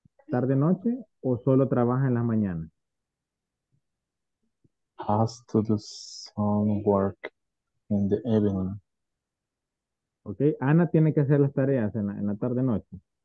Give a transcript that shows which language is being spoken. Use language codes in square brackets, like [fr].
[es] Tarde-noche o solo trabaja en las mañanas. [en] Has to do some work in the evening. Ok. [es] Ana tiene que hacer las tareas en la tarde-noche.